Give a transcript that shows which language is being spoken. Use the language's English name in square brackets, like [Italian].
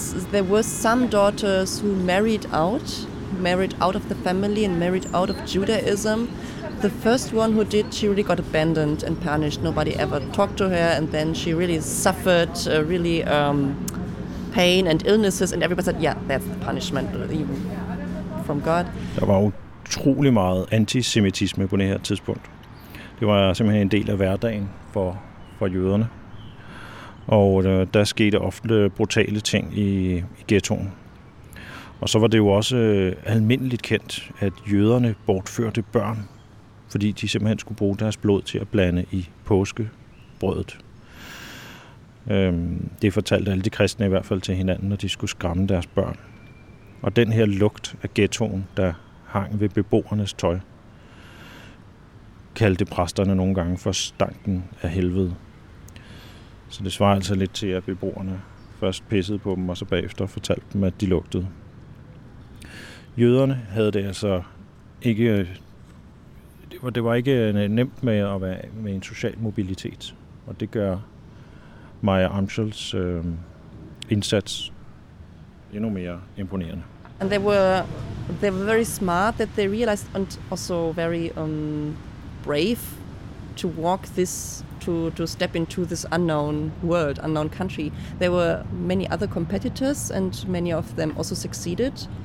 [English] There were some daughters who married out of the family and married out of Judaism. The first one who did, she really got abandoned and punished. Nobody ever talked to her, and then she really suffered really pain and illnesses, and everybody said, yeah, that's the punishment even from God. [Danish] Der var utrolig meget antisemitisme på det her tidspunkt. Det var simpelthen en del af hverdagen for jøderne. Og der skete ofte brutale ting i ghettoen. Og så var det jo også almindeligt kendt, at jøderne bortførte børn, fordi de simpelthen skulle bruge deres blod til at blande i påskebrødet. Det fortalte alle de kristne i hvert fald til hinanden, når de skulle skræmme deres børn. Og den her lugt af ghettoen, der hang ved beboernes tøj, kaldte præsterne nogle gange for stanken af helvede. Så det svarer altså lidt til, at beboerne først pissede på dem, og så bagefter fortalte dem, at de lugtede. Jøderne havde det altså ikke... Det var ikke nemt med at være med en social mobilitet, og det gør Meyer Amschels indsats endnu mere imponerende. [English] And they were very smart, that they realized, and also very brave to walk this, to step into this unknown world, unknown country. There were many other competitors, and many of them also succeeded.